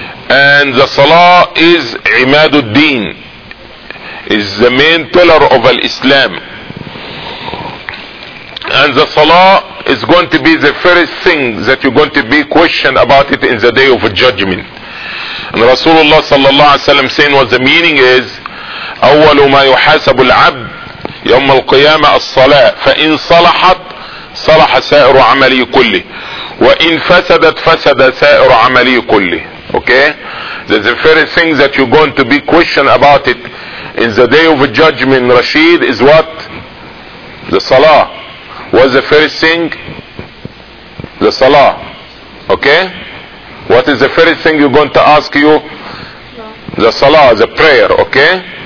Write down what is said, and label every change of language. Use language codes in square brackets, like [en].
[en] And the Salah is Imaduddin, is the main pillar of Islam. And the Salah is going to be the first thing that you're going to be questioned about it in the day of judgment. And Rasulullah sallallahu alayhi wa sallam saying what the meaning is, [ar] أول ما يحاسب العبد يوم القيامة الصلاة فإن صلحت صلح سائر عملي كله وإن فسدت فسد سائر عملي كله. [en] Okay, that the very thing that you're going to be questioned about it in the day of judgment, Rashid, is what? The Salah. What's the first thing? The Salah. Okay? What is the first thing you're going to ask you? No. The Salah, the prayer. Okay?